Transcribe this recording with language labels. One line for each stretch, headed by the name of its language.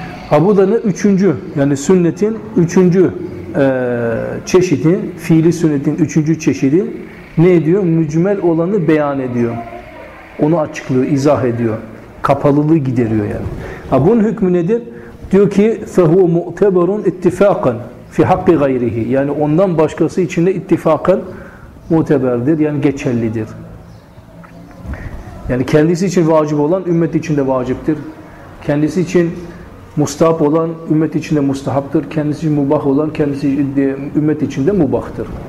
Turkish: Ha bu da ne? Üçüncü, yani sünnetin üçüncü çeşidi, fiili sünnetin üçüncü çeşidi ne diyor? Mücmel olanı beyan ediyor. Onu açıklıyor, izah ediyor. Kapalılığı gideriyor yani. Ha bunun hükmü nedir? Diyor ki
Arabic: فَهُوَ مُؤْتَبَرٌ اِتِّفَاقًا فِي حَقِّ غَيْرِهِ.
Turkish: Yani ondan başkası için de ittifakan muteberdir, yani geçerlidir. Yani kendisi için vacip olan ümmet için de vaciptir. Kendisi için mustahap olan ümmet içinde mustahaptır. Kendisi mubah olan kendisi ümmet içinde mubahtır.